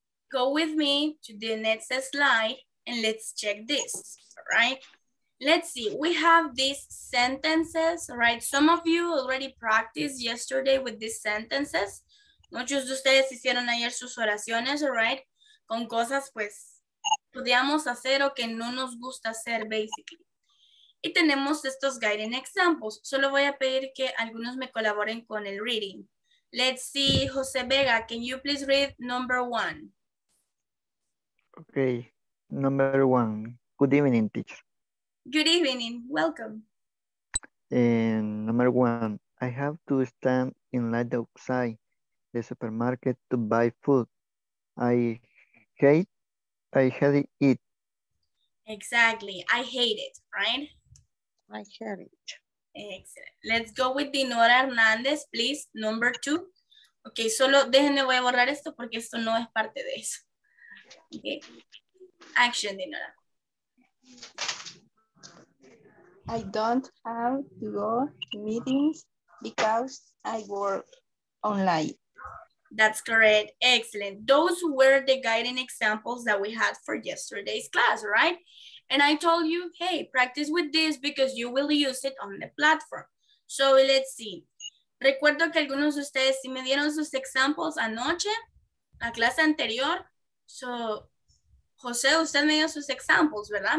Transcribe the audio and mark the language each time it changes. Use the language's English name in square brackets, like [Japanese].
[English] Go with me to the next slide and let's check this, all right? Let's see, we have these sentences, right? Some of you already practiced yesterday with these sentences. [Spanish] Muchos de ustedes hicieron ayer sus oraciones, [English] all right? [Spanish] Con cosas, pues, podíamos hacer o que no nos gusta hacer, [English] basically. [Spanish] Y tenemos estos [English] guiding examples. [Spanish] Solo voy a pedir que algunos me colaboren con el reading. [English] Let's see, Jose Vega, can you please read number one? Okay, number one. Good evening, teacher. Good evening, welcome. And number one, I have to stand in line outside the supermarket to buy food. I hate it. Exactly, I hate it, right? I hate it. Excellent. Let's go with Dinora Hernandez, please, number two. [Spanish] Okay, solo déjenme voy a borrar esto porque esto no es parte de eso. [English] Okay. Action, Dinora. I don't have to go to meetings because I work online. That's correct. Excellent. Those were the guiding examples that we had for yesterday's class, right? And I told you, hey, practice with this because you will use it on the platform. So let's see. [Spanish] Recuerdo que algunos de ustedes sí me dieron sus examples anoche, la clase anterior. So, José, usted me dio sus examples, ¿verdad?